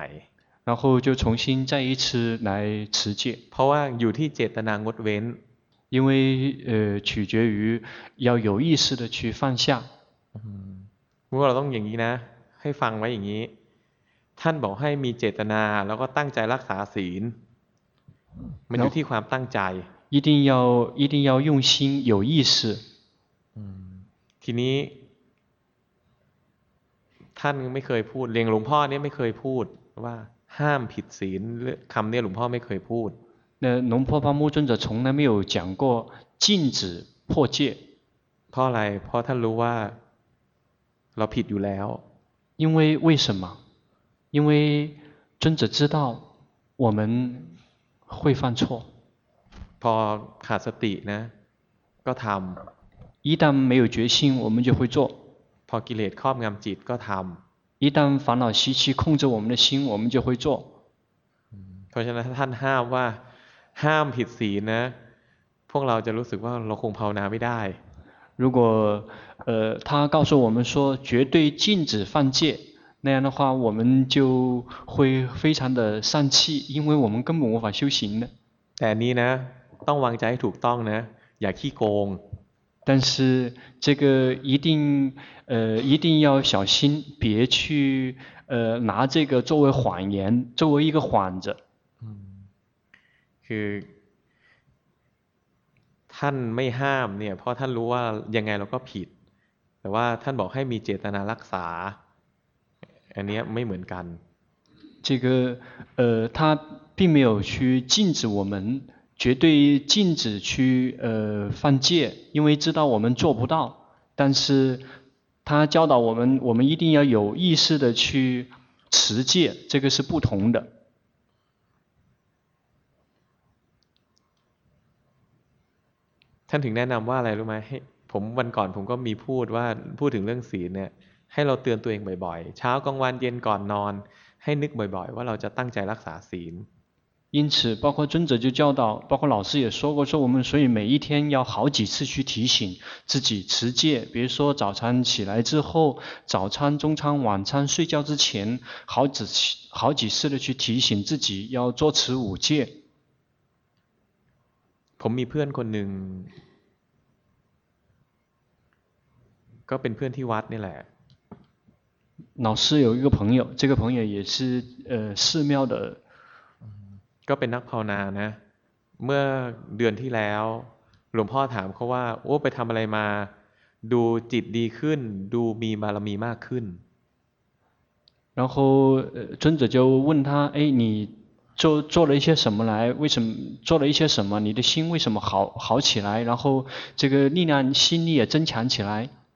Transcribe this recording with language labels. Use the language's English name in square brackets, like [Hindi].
[Chinese] 然后就重新再一次来持戒 [Thai] เพราะว่าอยู่ที่เจตนางดเว้น [Chinese] 因为取决于要有意识的去放下 [Thai] พวกเราต้องอย่างนี้นะให้ฟังไว้อย่างนี้ท่านบอกให้มีเจตนาแล้วก็ตั้งใจรักษาศีลมันอยู่ที่ความตั้งใจ [Chinese] 一定要用心有意识 [Thai] ทีนี้ท่านไม่เคยพูดเรียงหลวงพ่อเนี่ยไม่เคยพูดว่าห้ามผิดศีลคำนี้หลวงพ่อไม่เคยพูด [Chinese] 龙婆巴木尊者从来没有讲过禁止破戒 [Thai] เพราะอะไรเพราะท่านรู้ว่าเราผิดอยู่แล้ว [Chinese] 为什么因为尊者知道我们会犯错 [Thai] พอขาดสตินะก็ทำ [Chinese] 一旦没有决心我们就会做 [Thai] พอกิเลสครอบงำจิตก็ทำ [Chinese] 一旦烦恼习气控制我们的心我们就会做 [Thai] เพราะฉะนั้นท่านห้ามว่าห้ามผิดศีลนะพวกเราจะรู้สึกว่าเราคงภาวนาไม่ได้ [Chinese] 如果他告诉我们说绝对禁止犯戒那样的话我们就会非常的丧气因为我们根本无法修行的 [Thai] แต่นี้นะต้องวางใจให้ถูกต้องนะอย่าขี้โกง [Chinese] 但是这个一定一定要小心，别去拿这个作为谎言，作为一个幌子。嗯，是。 [Thai] ท่านไม่ห้ามเนี่ยเพราะท่านรู้ว่ายังไงเราก็ผิดแต่ว่าท่านบอกให้มีเจตนารักษาอันนี้ไม่เหมือนกัน [Chinese] 这个他并没有去禁止我们绝对禁止去犯戒因为知道我们做不到但是他教导我们我们一定要有意识的去持戒这个是不同的 [Thai] ท่านถึงแนะนำว่าอะไรรู้ไหมให้ผมวันก่อนผมก็มีพูดว่าพูดถึงเรื่องศีลเนี่ยให้เราเตือนตัวเองบ่อยๆเช้ากลางวันเย็นก่อนนอนให้นึกบ่อยๆว่าเราจะตั้งใจรักษาศีล [Chinese] 因此包括尊者就教导包括老师也说过说我们所以每一天要好几次去提醒自己持戒比如说早餐起来之后早餐中餐晚餐睡觉之前好几次的去提醒自己要做持五戒 [Thai] ผมมีเพื่อนคนหนึ่งก็เป็นเพื่อนที่วัดนี่แหละ [Chinese] 老师有一个朋友这个朋友也是寺庙的 [Thai] ก็เป็นนักภาวนานะเมื่อเดือนที่แล้วหลวงพ่อถามเขาว่าโอ้ไปทำอะไรมาดูจิตดีขึ้นดูมีบารมีมากขึ้น [Chinese] 然后尊者就问他哎你做了一些什么来为什么做了一些什么你的心为什么好起来然后这个力量心力也增强起来